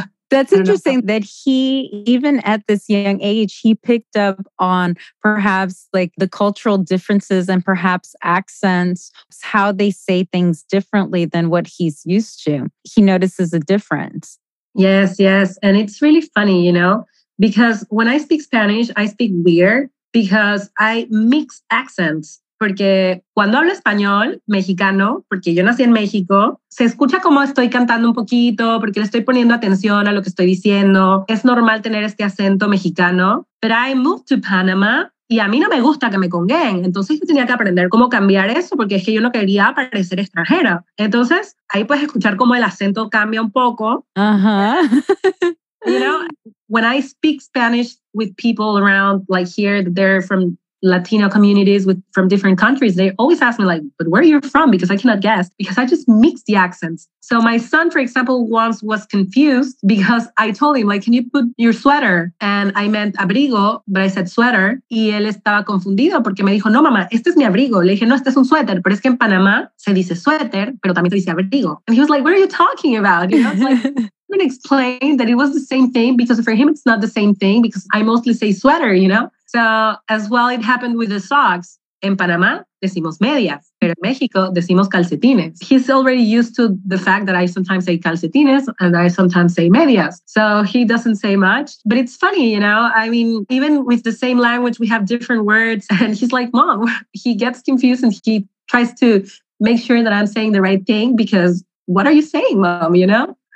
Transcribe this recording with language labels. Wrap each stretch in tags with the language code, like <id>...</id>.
<en>That's interesting that he, even at this young age, he picked up on perhaps like the cultural differences and perhaps accents, how they say things differently than what he's used to. He notices a difference. Yes, yes. And it's really funny, you know, because when I speak Spanish, I speak weird because I mix accents.</en> <es>Porque cuando hablo español mexicano, porque yo nací en México, se escucha como estoy cantando un poquito, porque le estoy poniendo atención a lo que estoy diciendo. Es normal tener este acento mexicano. But I moved to Panama y a mí no me gusta que me conguen. Entonces yo tenía que aprender cómo cambiar eso porque es que yo no quería parecer extranjera. Entonces ahí puedes escuchar cómo el acento cambia un poco. Uh-huh.</es> <en>You know, when I speak Spanish with people around like here, they're from Latino communities from different countries, they always ask me like, but where are you from? Because I cannot guess, because I just mix the accents. So my son, for example, once was confused because I told him like, can you put your sweater? And I meant abrigo, but I said sweater.</en> <es>Y él estaba confundido porque me dijo, no mamá, este es mi abrigo. Le dije, no, este es un suéter. Pero es que en Panamá se dice suéter, pero también se dice abrigo.</es> <en>And he was like, what are you talking about? You know, it's like, I'm gonna explain that it was the same thing because for him, it's not the same thing because I mostly say sweater, you know? So as well, it happened with the socks.</en> <es>En Panamá decimos medias, pero en México decimos calcetines.</es> <en>He's already used to the fact that I sometimes say calcetines and I sometimes say medias. So he doesn't say much, but it's funny, you know? I mean, even with the same language, we have different words and he's like, mom, he gets confused and he tries to make sure that I'm saying the right thing because what are you saying, mom, you know?</en>